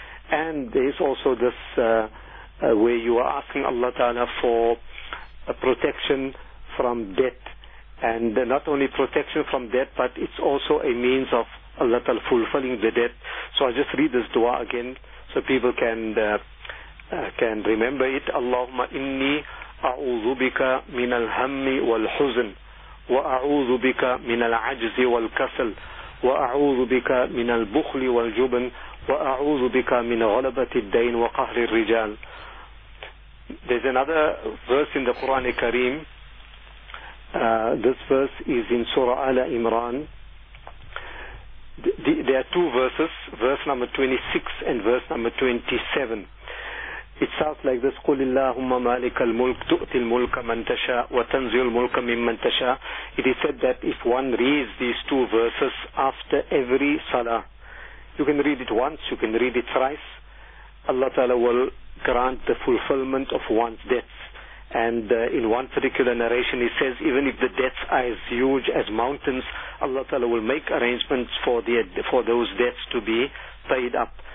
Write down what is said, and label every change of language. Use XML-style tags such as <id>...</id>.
<en>And there is also this where you are asking Allah Ta'ala for a protection from debt. And not only protection from debt, but it's also a means of Allah Ta'ala fulfilling the debt. So I just read this dua again so people can remember it.</en> <ar>Allahumma inni a'udhu bika min al-hammi wal-huzn. وأعوذ بك من العجز والكسل وأعوذ بك من البخل والجبن وأعوذ بك من غلبة الدين وقهر الرجال.</ar> <en>There's another verse in the Quran Kareem. This verse is in Surah Ala Imran. There are two verses, verse number 26 and verse number 27. It sounds like this:</en> <ar>قُلِ اللَّهُمَّ مَالِكَ الْمُلْكِ تُؤْتِي الْمُلْكَ مَنْ تَشَاءُ وَتَنْزِلُ الْمُلْكَ مِمَّنْ تَشَاءُ.</ar> <en>It is said that if one reads these two verses after every salah, you can read it once, you can read it thrice, Allah Ta'ala will grant the fulfillment of one's debts. And in one particular narration he says, even if the debts are as huge as mountains, Allah Ta'ala will make arrangements for those debts to be paid up.</en>